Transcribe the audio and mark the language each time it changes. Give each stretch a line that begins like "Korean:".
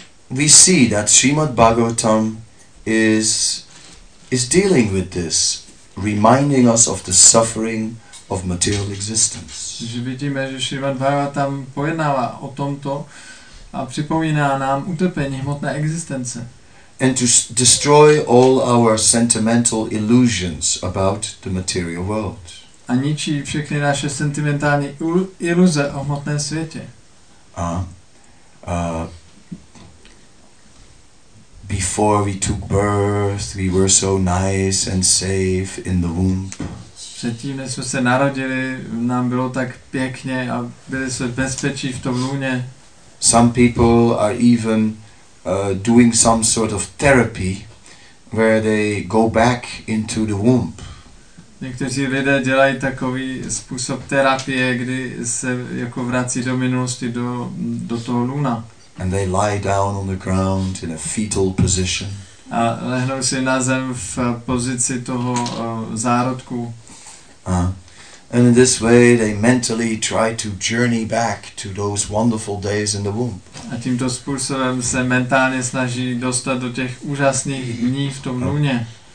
English: We see that Srimad Bhagavatam is dealing with this, reminding us of the suffering of material existence.
Czech: Že vidíme, že Srimad Bhagavatam pojednává o tomto a připomíná nám utrpení hmotné existence.
English: And to destroy all our sentimental illusions about the material world.
Czech: A ničí všechny naše sentimentální iluze o hmotném světě.
English: Before we took birth, we were so nice and safe in the womb.
Czech: Předtím, než jsme se narodili, nám bylo tak pěkně a byli jsme bezpečí v tom lůně.
English: Some people are even doing some sort of therapy where they go back into the womb.
Czech: Někteří lidé dělají takový způsob terapie, kdy se jako vrací do minulosti do toho luna.
English: And they lie down on the ground in a fetal position.
Czech: A lehnou si na zem v pozici toho zárodku.
English: And in this way they mentally try to journey back to those wonderful days in the womb.
Czech: A tímto způsobem se mentálně snaží dostat do těch úžasných dní v tom luně.